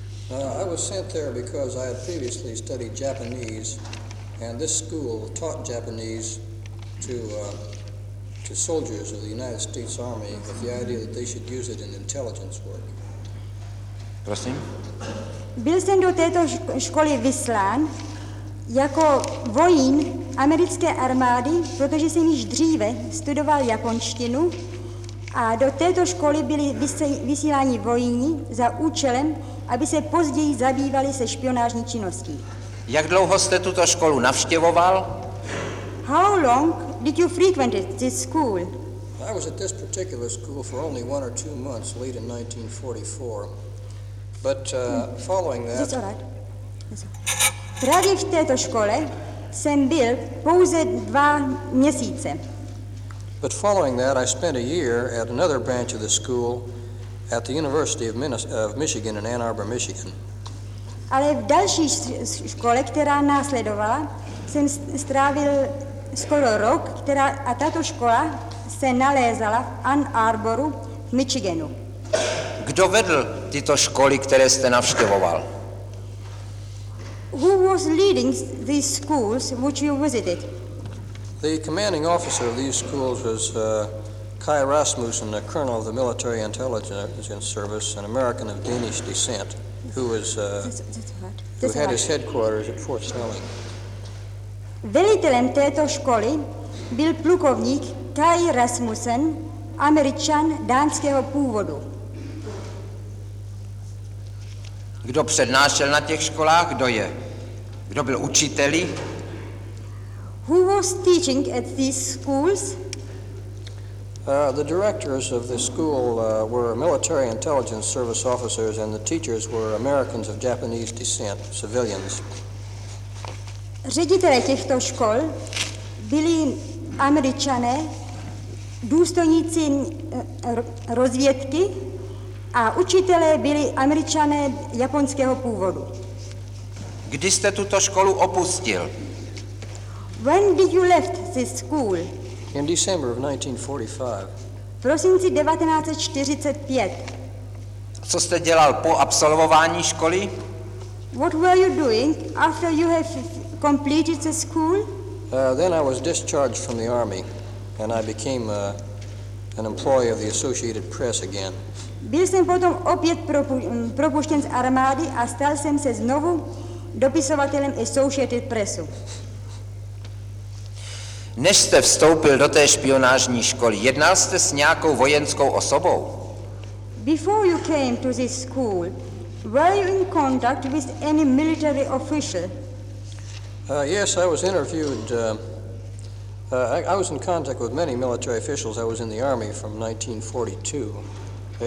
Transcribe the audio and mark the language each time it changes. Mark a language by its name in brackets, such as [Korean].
[English] I was sent there because I had previously studied Japanese and this school taught Japanese to soldiers of the United States Army with the idea that they should use it in intelligence work. [Czech] Prosím. Byl jsem do této školy vyslán jako vojín americké armády, protože jsem již dříve studoval japonštinu A do této školy byli vysíláni vojni za účelem, aby se později zabývali se špionážní činností. Jak dlouho jste tuto školu navštěvoval? [English] How long did you frequent this school? I was at this particular school for only one or two months late in 1944. But following that... That's all right. [Czech] Právě v této škole jsem byl pouze dva měsíce. [English] But following that, I spent a year at another branch of the school at the University of Michigan in Ann Arbor, Michigan. [Czech] Ale v další škole, která následovala, jsem strávil skoro rok, a tato škola se nalézala v Ann Arboru, Michiganu. Kdo vedl tyto školy, které jste navštěvoval? [English] Who was leading these schools which you visited? The commanding officer of these schools was Kai Rasmussen, a colonel of the Military Intelligence Service, an American of Danish descent, who was had his headquarters at Fort Snelling. [Czech] Velitelem této školy byl plukovník Kai Rasmussen, Američan dánského původu. Kdo přednášel na těch školách, kdo je? Kdo byl učiteli? [English] Who was teaching at these schools? The directors of the school were military intelligence service officers and the teachers were Americans of Japanese descent, civilians. [Czech] Ředitelé těchto škol byli Američané, důstojníci rozvědky a učitelé byli Američané japonského původu. Kdy jste tuto školu opustil? [English] When did you left this school? In December of 1945. [Czech] V prosinci 1945. Co jste dělal po absolvování školy? [English] What were you doing after you have completed the school? Then I was discharged from the army and I became an employee of the Associated Press again. [Czech] Byl jsem potom opět propuštěn z armády a stal jsem se znovu dopisovatelem Associated Pressu. Než jste vstoupil do té špionážní školy, jednal jste s nějakou vojenskou osobou? [English] Before you came to this school, were you in contact with any military official? Yes, I was interviewed. I was in contact with many military officials. I was in the army from 1942.